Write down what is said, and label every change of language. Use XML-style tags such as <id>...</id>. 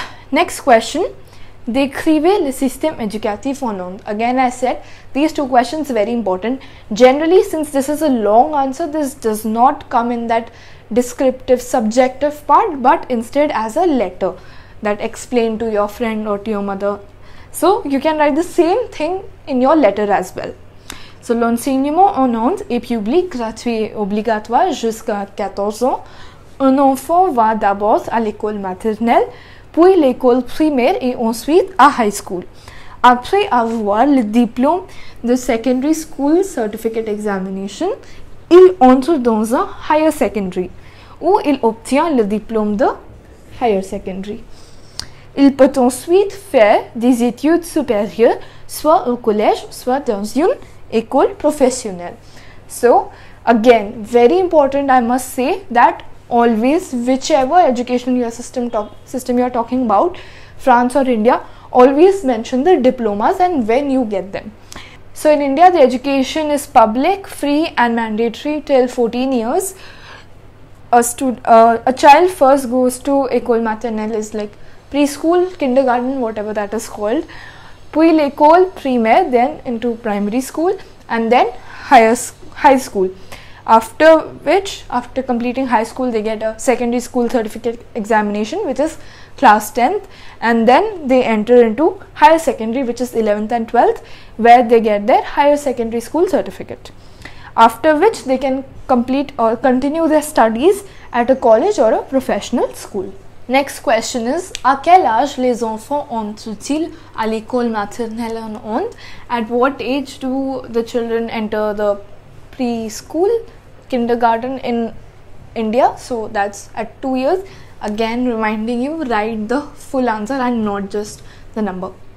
<en>Next question,</en> <fr>décrivez le système éducatif en langue.</fr> <en>Again, I said, these two questions are very important. Generally, since this is a long answer, this does not come in that descriptive, subjective part, but instead as a letter that explained to your friend or to your mother. So, you can write the same thing in your letter as well.</en> <fr>So, l'enseignement en langue est public, gratuit et obligatoire jusqu'à 14 ans. Un enfant va d'abord à l'école maternelle, puis l'école primaire et ensuite à high school. Après avoir le diplôme de secondary school certificate examination, il entre dans un higher secondary où il obtient le diplôme de higher secondary. Il peut ensuite faire des études supérieures soit au collège, soit dans une école professionnelle.</fr> <en>So, again, very important, I must say that always, whichever educational year system you are talking about, France or India, always mention the diplomas and when you get them. So in India, the education is public, free and mandatory till 14 years. A child first goes to école maternelle, is like preschool, kindergarten, whatever that is called.</en> <fr>Puis l'école primaire,</fr> <en>then into primary school and then high school. After completing high school, they get a secondary school certificate examination, which is class 10th, and then they enter into higher secondary, which is 11th and 12th, where they get their higher secondary school certificate. After which they can complete or continue their studies at a college or a professional school. Next question is,</en> <fr>à quel âge les enfants entrent-ils à l'école maternelle en Inde?</fr> <en>At what age do the children enter the preschool, kindergarten in India? So that's at 2 years. Again, reminding you, write the full answer and not just the number.</en>